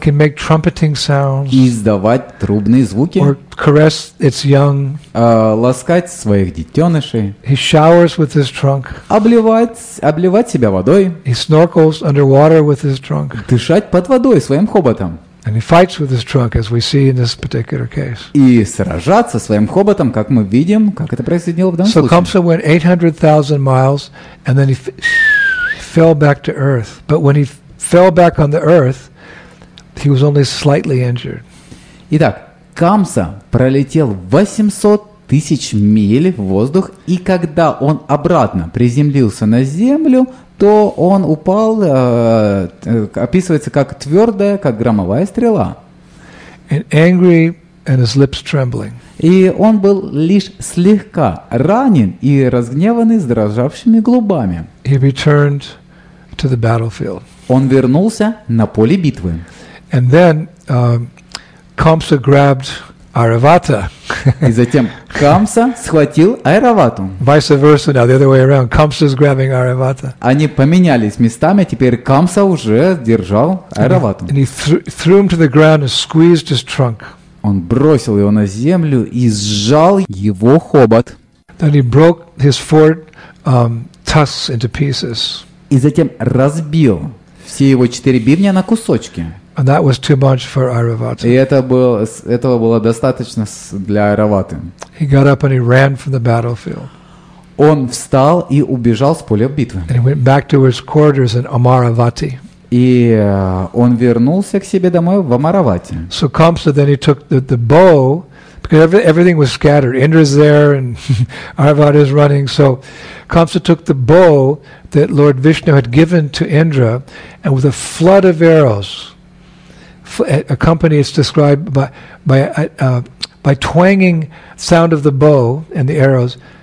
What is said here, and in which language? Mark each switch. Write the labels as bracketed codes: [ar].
[en] He can make trumpeting sounds. [ru] И издавать трубные звуки. [en] Or caress its young. [ru] Ласкать своих детенышей. [en] He showers with his trunk. [ru] Обливать себя водой. [en] He snorkels underwater with his trunk. [ru] Дышать под водой своим хоботом. [en] And he fights with his trunk, as we see in this particular case. [ru] И сражаться своим хоботом, как мы видим, как это происходило в данном случае. [en] So Kamsa went 800,000 miles, and then he fell back to earth. But when he fell back on the earth, he was only slightly injured. [ru] Итак, Камса пролетел 800 тысяч миль в воздух, и когда он обратно приземлился на землю, то он упал, описывается как твердая, как громовая стрела. [en] And angry, and his lips trembling. [ru] И он был лишь слегка ранен и разгневанный с дрожавшими губами. [en] He returned to the battlefield. [ru] Он вернулся на поле битвы. [en] And then, Камса grabbed Аравата. [ru] И затем Камса схватил Аравату. [en] Vice versa now, the other way around. Камса's grabbing Аравата. [ru] Они поменялись местами, теперь Камса уже держал Аравату. [en] And he threw him to the ground and squeezed his trunk. [ru] Он бросил его на землю и сжал его хобот. [en] Then he broke his four tusks into pieces. [ru] И затем разбил все его четыре бивня на кусочки. [en] And that was too much for Аравата. [ru] И этого было достаточно для Аравата. [en] He got up and he ran from the battlefield. [ru] Он встал и убежал с поля битвы. [en] And he went back to his quarters in Amaravati. [ru] И он вернулся к себе домой в Амаравати. [en] So Камса then he took the bow, because everything was scattered. Indra's there and Aravata is running. So Камса took the bow that Lord Vishnu had given to Indra, and with a flood of arrows. A company is described by twanging sound of the bow and the arrows.